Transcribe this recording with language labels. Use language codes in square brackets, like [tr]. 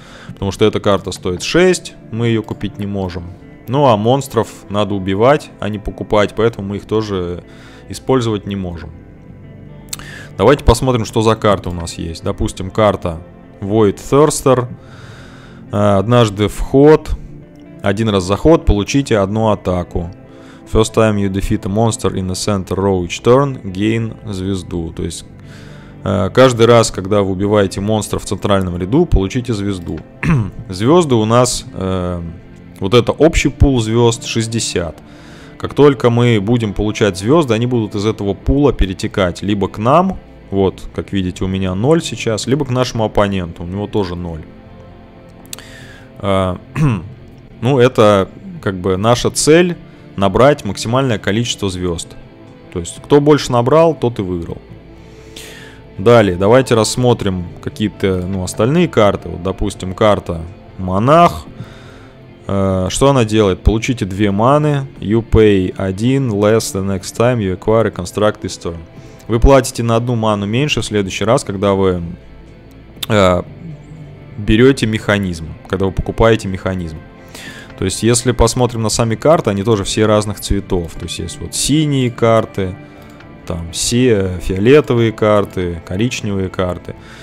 [ru] Потому что эта карта стоит 6, мы ее купить не можем. Ну а монстров надо убивать, а не покупать, поэтому мы их тоже использовать не можем. Давайте посмотрим, что за карта у нас есть. Допустим, карта Void Thirster. Однажды в ход, один раз за ход, получите одну атаку. [en] First time you defeat a monster in the center row each turn, gain [ru] звезду. То есть каждый раз, когда вы убиваете монстра в центральном ряду, получите звезду. Звезды у нас, вот это общий пул звезд, 60. Как только мы будем получать звезды, они будут из этого пула перетекать либо к нам, вот, как видите, у меня 0 сейчас, либо к нашему оппоненту, у него тоже 0. Ну, это как бы наша цель набрать максимальное количество звезд. То есть, кто больше набрал, тот и выиграл. Далее, давайте рассмотрим какие-то, ну, остальные карты. Вот, допустим, карта Монах. Что она делает? Получите 2 маны. [en] You pay 1 less the next time you acquire a construct this turn. [ru] Вы платите на 1 ману меньше в следующий раз, когда вы берете механизм, когда вы покупаете механизм. То есть, если посмотрим на сами карты, они тоже все разных цветов. То есть, есть вот синие карты, там все фиолетовые карты, коричневые карты.